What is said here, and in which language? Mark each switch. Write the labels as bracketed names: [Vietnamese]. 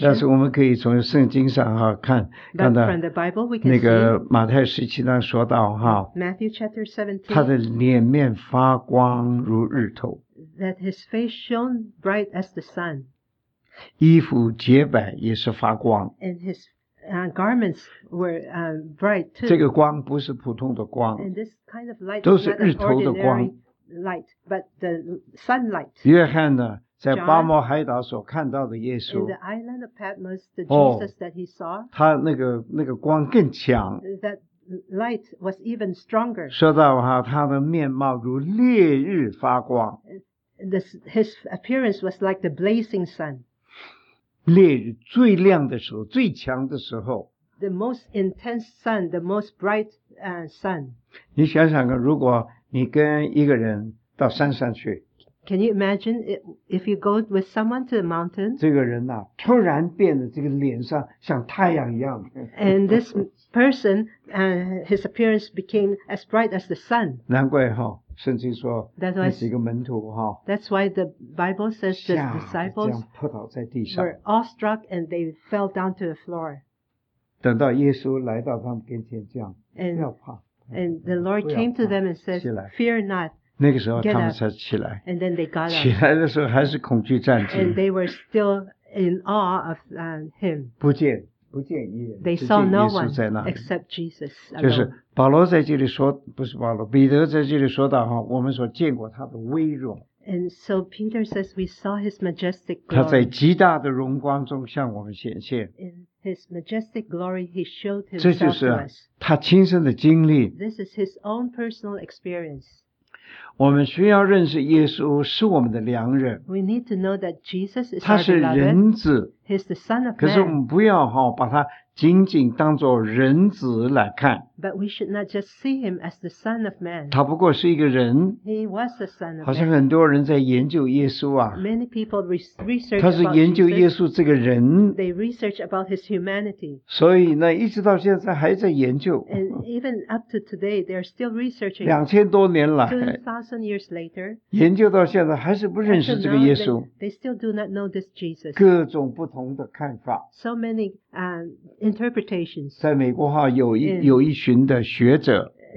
[Chinese] 但是我们可以从圣经上哈看，看到 [English] from the Bible we can see, [Chinese] 那个马太十七章说到哈 [English] ，Matthew chapter 17, [Chinese] 他的脸面发光如日头。 [English] That his face shone bright as the sun. [Chinese] 衣服洁白也是发光。 [English] And his garments were bright too. [Chinese] 这个光不是普通的光。 [English] And this kind of light [Chinese] 都是日头的光。 [English] Light, but the sunlight. [Chinese] 约翰呢，在巴摩海岛所看到的耶稣。 [English] In the island of Patmos, the Jesus that he saw. [Chinese] 他那个光更强。 [English] That light was even stronger. [Chinese] 说到哈，他的面貌如烈日发光。 [English] His appearance was like the blazing sun. [Chinese] 烈日最亮的时候，最强的时候。 [English] the most intense sun, the most bright sun. [Chinese] 你想想看，如果你跟一个人到山上去。 [English] Can you imagine if you go with someone to the mountain? [Chinese] 这个人啊，突然变得这个脸上像太阳一样。 [English] And this person, his appearance became as bright as the sun. [Chinese] 难怪哈，圣经说那几个门徒哈。 [English] That's why the Bible says the disciples were awestruck and they fell down to the floor. [Chinese] 等到耶稣来到他们跟前这样，不要怕。 [English] And the Lord came to them and said, "Fear not." [Chinese] 那个时候他们才起来 [English] and then they got up. [Chinese] 起来的时候还是恐惧战惊 [English] and they were still in awe of him [Chinese] 不见一人 [English] they saw no one except Jesus、alone. [Chinese] 就是保罗在这里说不是保罗彼得在这里说到哈，我们所见过他的威荣 [English] and so Peter says we saw his majestic glory [Chinese] 他在极大的荣光中向我们显现 [English] in his majestic glory he showed himself to us [Chinese] 这就是他亲身的经历 [English] this is his own personal experience [Chinese] 我们需要认识耶稣是我们的良人 [English] We need to know that Jesus is [Chinese] 他是人子 [English] He's the son of man [Chinese] 可是我们不要、哦、把他仅仅当作人子来看 [English] But we should not just see him as the son of man [Chinese] 他不过是一个人 [English] He was the son of man [Chinese] 好像很多人在研究耶稣啊 [English] Many people research about [Chinese] Jesus 他是研究耶稣这个人 [English] They research about his humanity [Chinese] 所以呢一直到现在还在研究 [English] And even up to today they are still researching [Chinese] 2000多年来 [English] 2000 years later [Chinese] 研究到现在还是不认识这个耶稣 [English] they still do not know this Jesus [Chinese] 各种不同的看法 [English] So manyinterpretations. [Chinese] 在美国哈有一群的学者